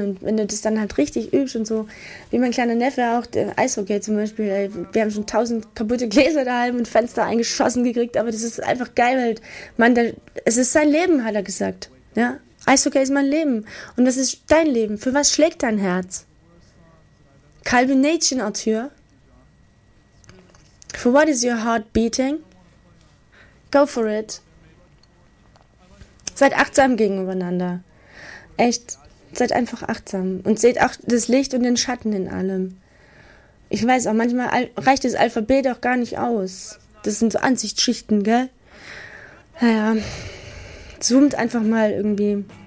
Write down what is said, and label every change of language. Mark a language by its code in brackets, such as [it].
[de] Und wenn du das dann halt richtig übst und so, wie mein kleiner Neffe auch, der Eishockey zum Beispiel, ey, wir haben schon 1000 kaputte Gläser daheim und Fenster eingeschossen gekriegt, aber das ist einfach geil, weil man da, es ist sein Leben, hat er gesagt, ja. Eishockey ist mein Leben. Und was ist dein Leben? Für was schlägt dein Herz? Calvin Nation, Arthur. [en] For what is your heart beating? Go for it. [de] Seid achtsam gegeneinander. Echt, seid einfach achtsam. Und seht auch das Licht und den Schatten in allem. Ich weiß auch, manchmal reicht das Alphabet auch gar nicht aus. Das sind so Ansichtsschichten, gell? Naja, zoomt einfach mal irgendwie.